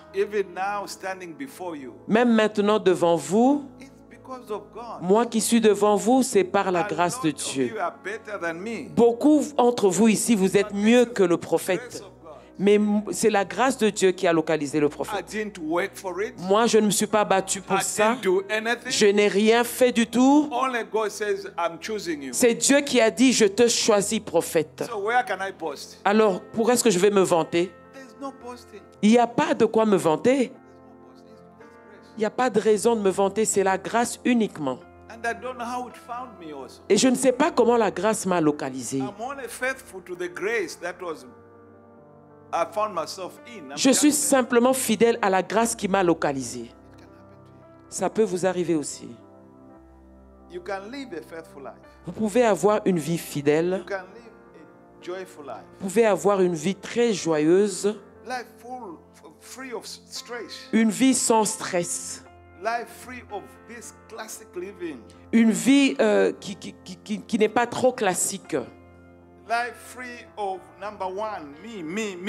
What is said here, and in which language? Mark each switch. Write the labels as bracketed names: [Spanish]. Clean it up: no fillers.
[English] Even now, standing before you, [French] même maintenant devant vous, [English] it's because of God. [French] Moi qui suis devant vous, c'est par la grâce de Dieu. [English] You are better than me. [French] Beaucoup entre vous ici, vous êtes mieux que le prophète. Mais c'est la grâce de Dieu qui a localisé le prophète. [English] I didn't work for it. [French] Moi, je ne me suis pas battu pour [English] I [French] ça. [English] Didn't do anything. [French] Je n'ai rien fait du tout. [English] Only God says, I'm choosing you. [French] C'est Dieu qui a dit, je te choisis, prophète. [English] So where can I boast? [French] Alors, pour est-ce que je vais me vanter? [English] There's no boasting. [French] Il n'y a pas de quoi me vanter. Il n'y a pas de raison de me vanter. C'est la grâce uniquement. [English] And I don't know how it found me also. [French] Et je ne sais pas comment la grâce m'a localisé. [English] I'm only faithful to the grace that was I found myself in. [French] Je suis simplement fidèle à la grâce qui m'a localisé. Ça peut vous arriver aussi. [English] You can live a faithful life. [French] Vous pouvez avoir une vie fidèle. [English] You can live a joyful life. [French] Vous pouvez avoir une vie très joyeuse. [English] Life full, free of stress. [French] Une vie sans stress. [English] Life free of this classic living. [French] Une vie qui n'est pas trop classique. [English] Life free of number one, me.